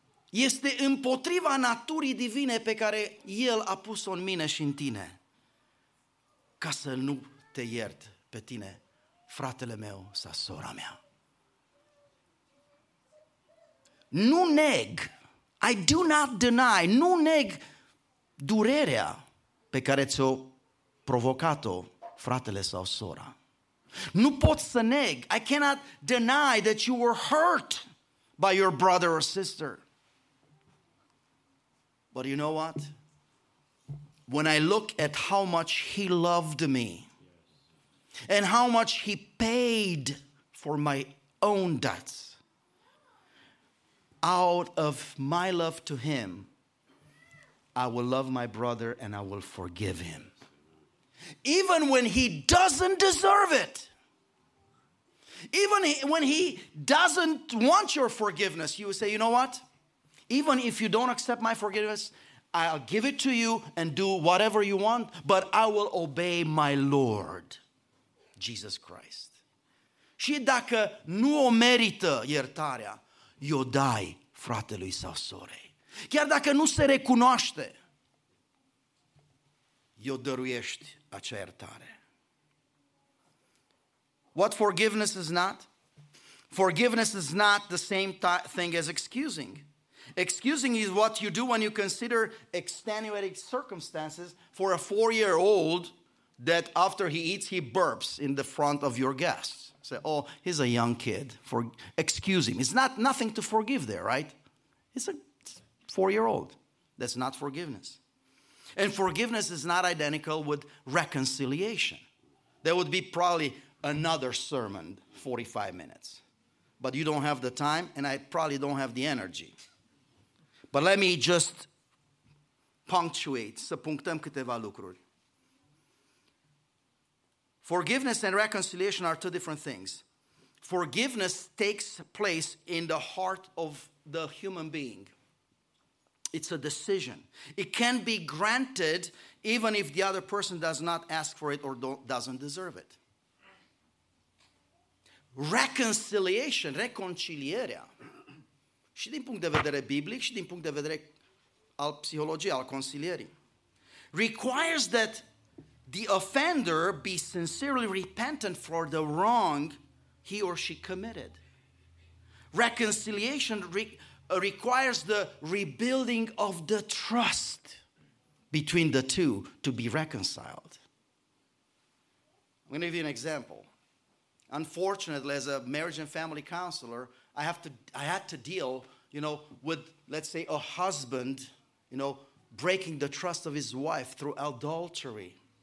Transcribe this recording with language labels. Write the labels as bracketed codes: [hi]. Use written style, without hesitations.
[ro] Este împotriva naturii divine pe care El a pus-o în mine și în tine, ca să nu te iert pe tine, fratele meu sau sora mea. Nu neg, [en] I do not deny, [ro] nu neg durerea pe care ți-o provocat-o fratele sau sora. Nu pot să neg, [en] I cannot deny that you were hurt by your brother or sister. But you know what? When I look at how much he loved me and how much he paid for my own debts, out of my love to him, I will love my brother and I will forgive him. Even when he doesn't deserve it. Even when he doesn't want your forgiveness, you say, you know what? Even if you don't accept my forgiveness, I'll give it to you and do whatever you want, but I will obey my Lord, Jesus Christ. [ro] Și dacă nu o merită iertarea, i-o dai fratelui sau sorei. Chiar dacă nu se recunoaște, i-o dăruiești acea iertare. [en] What forgiveness is not? Forgiveness is not the same thing as excusing. Excusing is what you do when you consider extenuating circumstances for a four-year-old that after he eats, he burps in the front of your guests. Say, oh, he's a young kid. Excuse him. It's not nothing to forgive there, right? He's a four-year-old. That's not forgiveness. And forgiveness is not identical with reconciliation. There would be probably another sermon, 45 minutes. But you don't have the time, and I probably don't have the energy. But let me just punctuate, [ro] să punctăm câteva lucruri. [en] Forgiveness and reconciliation are two different things. Forgiveness takes place in the heart of the human being. It's a decision. It can be granted even if the other person does not ask for it or doesn't deserve it. [ro] Reconciliation, reconcilierea, și din punct de vedere biblic și din punct de vedere al psihologiei, al consilierii, [en] requires that the offender be sincerely repentant for the wrong he or she committed. Reconciliation requires the rebuilding of the trust between the two to be reconciled. I'm going to give you an example. Unfortunately, as a marriage and family counselor, I had to deal, you know, with, let's say, a husband, you know, breaking the trust of his wife through adultery.